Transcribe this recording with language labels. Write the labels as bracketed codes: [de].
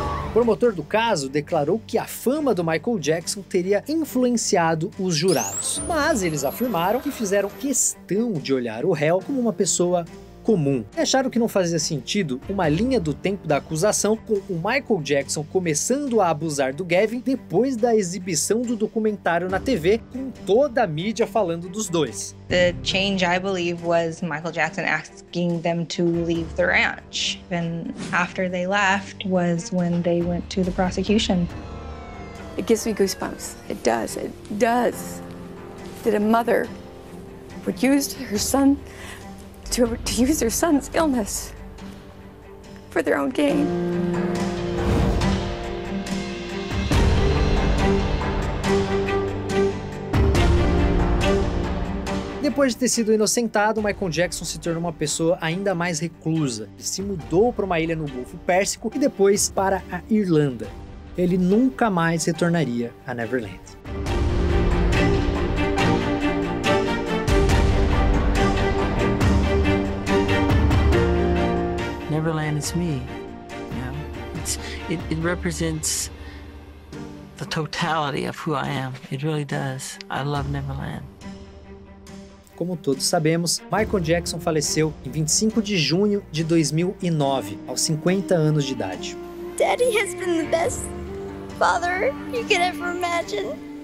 [pt] O promotor do caso declarou que a fama do Michael Jackson teria influenciado os jurados, mas eles afirmaram que fizeram questão de olhar o réu como uma pessoa comum. E acharam que não fazia sentido uma linha do tempo da acusação com o Michael Jackson começando a abusar do Gavin depois da exibição do documentário na TV, com toda a mídia falando dos dois. [en] The change, I believe, was Michael Jackson asking them to leave the ranch. And after they left was when they went to the prosecution. It gives me goosebumps. It does. It does. That a mother would use her son to use her son's illness for their own gain. [pt] Depois de ter sido inocentado, Michael Jackson se tornou uma pessoa ainda mais reclusa. Ele se mudou para uma ilha no Golfo Pérsico e depois para a Irlanda. Ele nunca mais retornaria a Neverland. [en] Neverland is me. Yeah. It represents the totality of who I am. It really does. I love Neverland. [pt] Como todos sabemos, Michael Jackson faleceu em 25 de junho de 2009, aos 50 anos de idade. [en] Daddy has been the best father you could ever imagine.